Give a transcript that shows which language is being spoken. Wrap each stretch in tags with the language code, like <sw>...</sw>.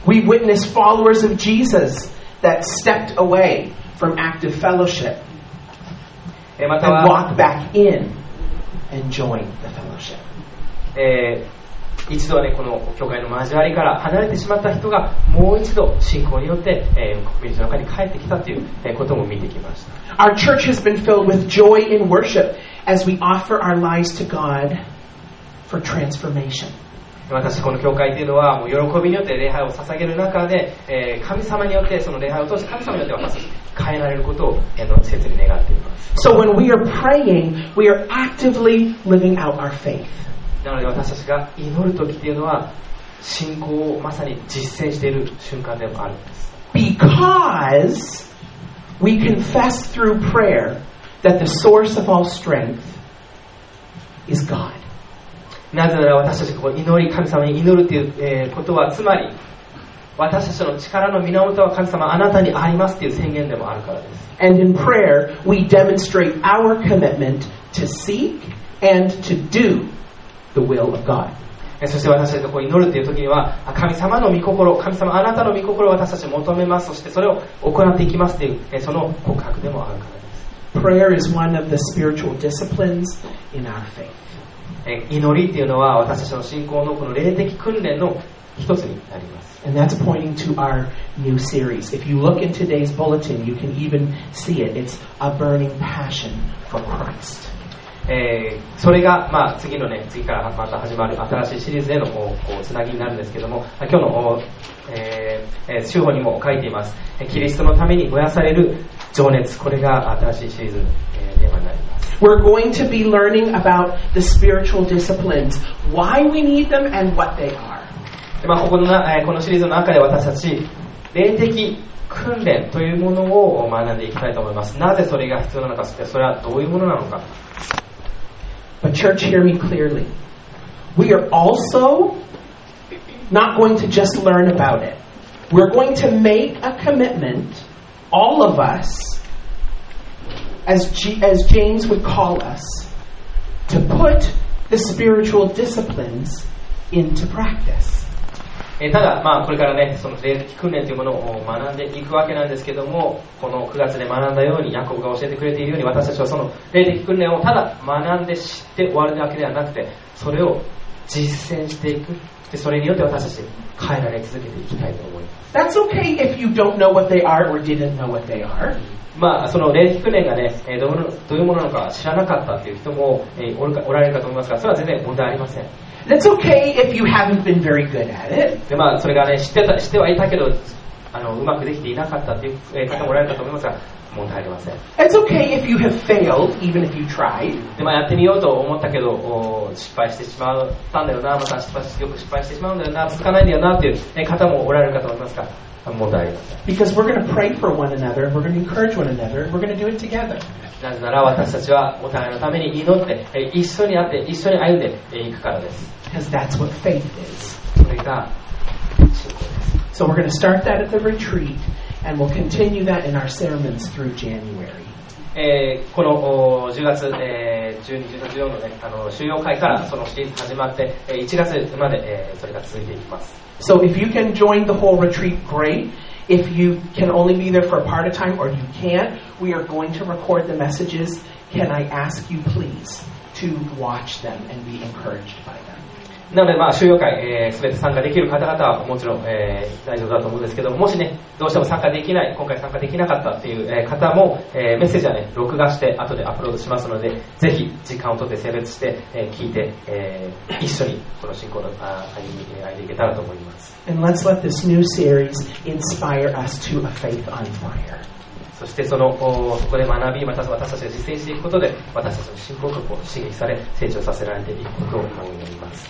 <en>We witness followers of Jesus that stepped away from active fellowship and walked back in and joined the fellowship.</en> <ja>一度は、ね、この教会の交わりから離れてしまった人がもう一度信仰によって、コミュニティの中に帰ってきたということも見てきました。</ja> <en>Our church has been filled with joy in worship as we offer our lives to God. For transformation.</en> <ja>私この教会というのはもう喜びによって礼拝を捧げる中で、神様によってその礼拝を通して神様によって私変えられることを切に願っています。</ja> <en>So when we are praying, we are actively living out our faith.</en> <ja>なので私たちが祈る時というのは信仰をまさに実践している瞬間でもあるんです。</ja> <en>Because we confess through prayer that the source of all strength is God.</en> <ja>なぜなら私たちが祈り神様に祈るということはつまり私たちの力の源は神様あなたにありますという宣言でもあるからです。</ja> <en>And in prayer we demonstrate our commitment to seek and to do the will of God.</en> <ja>そして私たちが祈るという時には神様の御心、神様あなたの御心を私たち求めます、そしてそれを行っていきますというその告白でもあるからです。</ja> <en>Prayer is one of the spiritual disciplines in our faith.</en> <ja>祈りっていうのは私たちの信仰のこの霊的訓練の一つになります。</ja> <en>And that's pointing to our new series. If you look in today's bulletin, you can even see it. It's a burning passion for Christ.</en> <ja>それがまあ次のね、次からまた始まる新しいシリーズへのこうつなぎになるんですけども、今日の週報にも書いています。キリストのために燃やされる情熱、これが新しいシリーズ。</ja> <en>We're going to be learning about the spiritual disciplines, why we need them, and what they are.</en> <ja>このシリーズの中で私たち霊的訓練というものを学んでいきたいと思います。なぜそれが必要なのか、そしてそれはどういうものなのか。</ja> <en>But church, hear me clearly. We are also not going to just learn about it. We're going to make a commitment, all of us,As James would call us, to put the spiritual disciplines into practice.</en> <ja>ただ、まあ、これからね、その霊的訓練というものを学んでいくわけなんですけども、この9月で学んだように、ヤコブが教えてくれているように、私たちはその霊的訓練をただ学んで知って終わるわけではなくて、それを実践していく。で、それによって私たち変えられ続けていきたいと思います。</ja> <en>That's okay if you don't know what they are or didn't know what they are.</en> <ja>まあ、その霊的訓練が、ね、どういうものなのか知らなかったという人も おられるかと思いますが、それは全然問題ありません。</ja> <en>That's okay if you haven't been very good at it.</en> <ja>で、まあ、それが、ね、知ってはいたけどうまくできていなかったという方もおられるかと思いますが、問題ありません。</ja> <en>It's okay if you have failed, even if you tried.</en> <ja>で、まあ、やってみようと思ったけど、失敗してしまったんだよな、また失敗し、よく失敗してしまうんだよな、続かないんだよなという方もおられるかと思いますが、</ja> <en>Because we're going to pray for one another, we're going to encourage one another, we're going to do it together.</en> <ja>なぜなら私たちはお互いのために祈って、一緒に会って、一緒に歩んでいくからです。</ja> <en>Because that's what faith is.</en> <ja>それが信仰です。</ja> <en>So we're going to start that at the retreat, and we'll continue that in our sermons through January.</en> <ja>この10月、12、13、14のね、修行会からそのシリーズ始まって、1月まで、それが続いていきます。</ja> <en>So if you can join the whole retreat, great. If you can only be there for a part of time or you can't, we are going to record the messages. Can I ask you please to watch them and be encouraged by them?</en> <ja>なので、まあ、修養会、全て参加できる方々はもちろん、大丈夫だと思うんですけども、もしね、どうしても参加できない、今回参加できなかったっていう、方も、メッセージはね、録画して後でアップロードしますので、ぜひ時間をとって整列して、聞いて、一緒にこの進行の歩みに歩んでいけたらと思います。</ja> <en>And let's let this new series inspire us to a faith on fire.</en> <ja>そしてそのそこで学び、また私たちが実践していくことで、私たちの信仰を刺激され、成長させられていくことを考えています。</ja>